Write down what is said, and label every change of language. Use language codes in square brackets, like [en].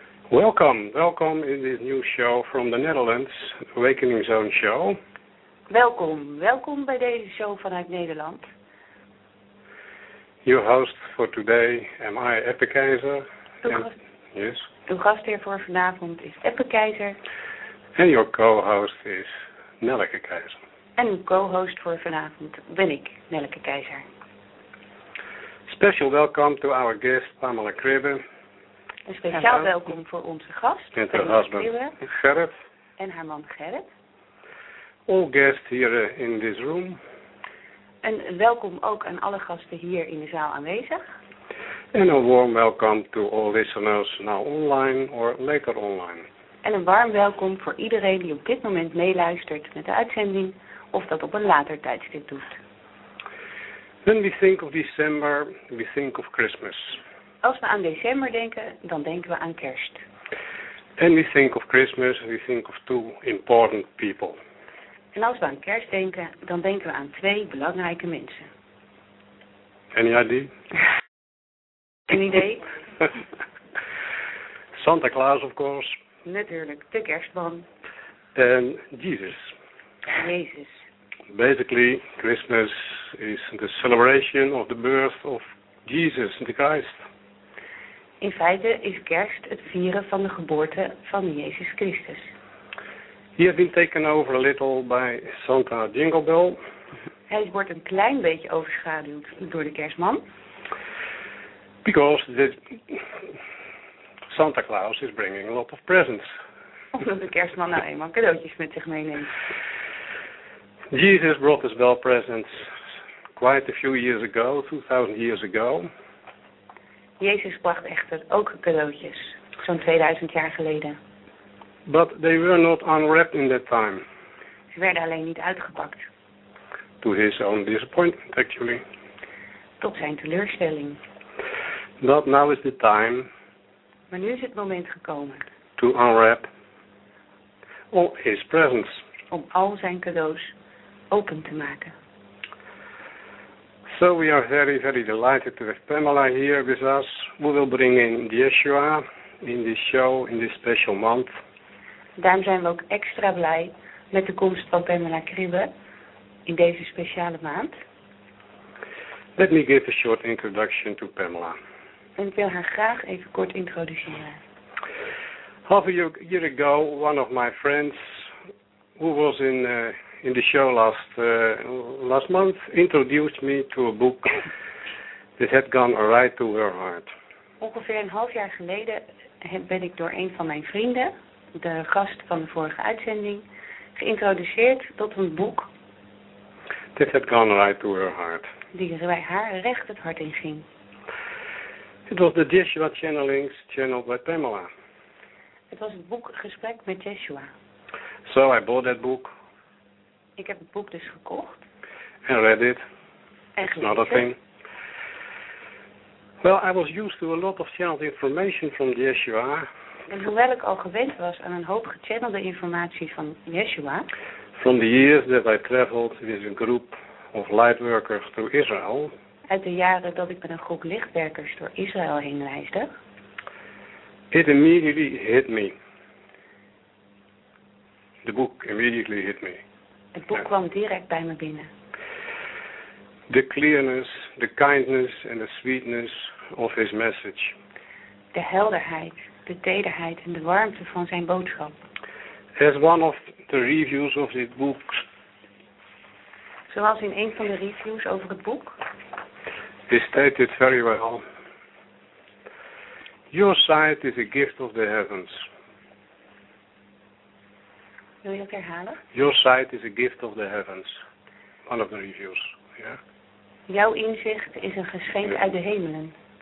[en] Welcome in this new show from the Netherlands, Awakening Zone Show. [nl] Welkom bij deze show vanuit Nederland. [en] Your host for today am I, Eppe Keizer. [nl] Uw gast hier voor vanavond is Eppe Keizer. [en] And your co-host is Nelleke Keizer. [nl] En uw co-host voor vanavond ben ik, Nelleke Keizer. [en] Special welcome to our guest, Pamela Kribbe. [nl] Een speciaal welkom voor onze gast. En haar [en] husband, [nl] Kribbe. Gerrit. En haar man, Gerrit. [en] All guests here in this room. [nl] En welkom ook aan alle gasten hier in de zaal aanwezig. En een warm welkom [en] to all listeners now online or later online. [nl] En een warm welkom voor iedereen die op dit moment meeluistert met de uitzending of dat op een later tijdstip doet. [en] When we think of December, we think of Christmas. [nl] Als we aan december denken, dan denken we aan kerst. [en] And we think of Christmas, we think of two important people. [nl] En als we aan kerst denken, dan denken we aan twee belangrijke mensen. [en] Any idea? [nl] Een idee? [en] Santa Claus, of course. [nl] Natuurlijk, de kerstman. En Jesus. Jezus. [en] Basically, Christmas is the celebration of the birth of Jesus, the Christ. [nl] In feite is kerst het vieren van de geboorte van Jezus Christus. [en] He has been taken over a little by Santa Jingle Bell. [nl] Hij wordt een klein beetje overschaduwd door de kerstman. [en] Because Santa Claus is bringing a lot of presents. [nl] Omdat de kerstman nou eenmaal cadeautjes met zich meeneemt. [en] Jesus brought us bell presents quite a few years ago, 2000 years ago. [nl] Jezus bracht echter ook cadeautjes, zo'n 2000 jaar geleden. [en] But they were not unwrapped in that time. [nl] Ze werden alleen niet uitgepakt. [en] To his own disappointment, actually. [nl] Tot zijn teleurstelling. [en] But now is the time. [nl] Maar nu is het moment gekomen. [en] To unwrap all his presents. [nl] Om al zijn cadeaus open te maken. [en] So we are very, very delighted to have Pamela here with us. We will bring in Yeshua in this show, in this special month. [nl] Daarom zijn we ook extra blij met de komst van Pamela Kribbe in deze speciale maand. [en] Let me give a short introduction to Pamela. [nl] En ik wil haar graag even kort introduceren. [en] Half a year ago, one of my friends, who was in the show last month, introduced me to a book that had gone right to her heart. [nl] Ongeveer een half jaar geleden ben ik door een van mijn vrienden, de gast van de vorige uitzending, geïntroduceerd tot een boek. [en] That had gone right to her heart. [nl] Die bij haar recht het hart in ging. [en] It was the Yeshua Channelings channeled by Pamela. [nl] Het was het boek Gesprek met Yeshua. [en] So I bought that book. [nl] Ik heb het boek dus gekocht. [en] And read it. [nl] Echt [en] not a thing. Well, I was used to a lot of channeled information from Yeshua. [nl] En hoewel ik al gewend was aan een hoop gechannelde informatie van Yeshua. [en] From the years that I traveled with a group of lightworkers through Israel. [nl] Uit de jaren dat ik met een groep lichtwerkers door Israël heen reisde. [en] It immediately hit me. The book immediately hit me. [nl] Het boek kwam direct bij me binnen. [en] The clearness, the kindness and the sweetness of his message. [nl] De helderheid, de tederheid en de warmte van zijn boodschap. [en] As one of the reviews of this book. [nl] Zoals in een van de reviews over het boek. [en] He stated very well. Your sight is a gift of the heavens. [nl] Wil je het herhalen? [en] Your sight is a gift of the heavens. One of the reviews. Yeah. [nl] Jouw inzicht is een geschenk uit de hemelen.